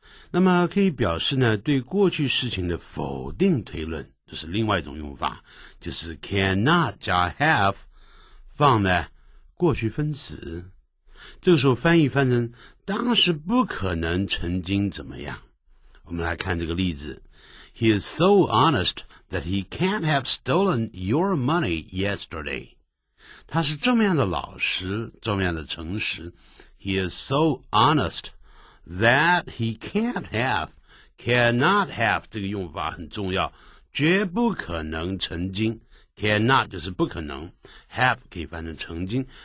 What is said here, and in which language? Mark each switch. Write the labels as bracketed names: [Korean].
[Chinese] 那么可以表示呢，对过去事情的否定推论，这是另外一种用法，就是 cannot 加 have， 放呢过去分词。这个时候翻译翻成当时不可能曾经怎么样。我们来看这个例子。 [English] He is so honest that he can't have stolen your money yesterday. [Chinese] 他是这么样的老实，这么样的诚实。 [English] He is so honest that he can't have, cannot have, [Chinese] 这个用法很重要。绝不可能曾经。cannot 就是不可能。 have 可以翻成曾经。